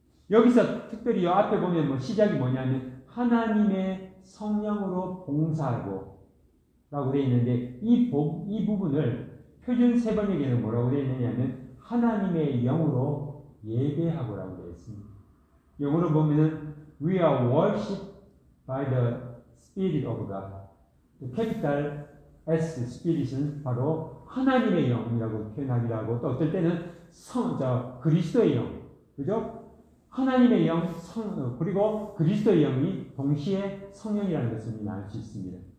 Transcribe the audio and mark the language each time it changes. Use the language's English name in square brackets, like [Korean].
[Korean] 여기서 특별히 앞에 보면 뭐 시작이 뭐냐면 하나님의 성령으로 봉사하고 라고 되어 있는데 이 부분을 표준 세번역에는 뭐라고 되어 있느냐면 하나님의 영으로 예배하고 라고 되어 있습니다. 영어로 보면 [English] We are worshipped by the Spirit of God. [Korean] 캐피탈 S, Spirit은 바로 하나님의 영이라고 표현하기도 하고 또 어떨 때는 그리스도의 영, 그죠? 하나님의 영, 그리고 그리스도의 영이 동시에 성령이라는 것을 말할 수 있습니다.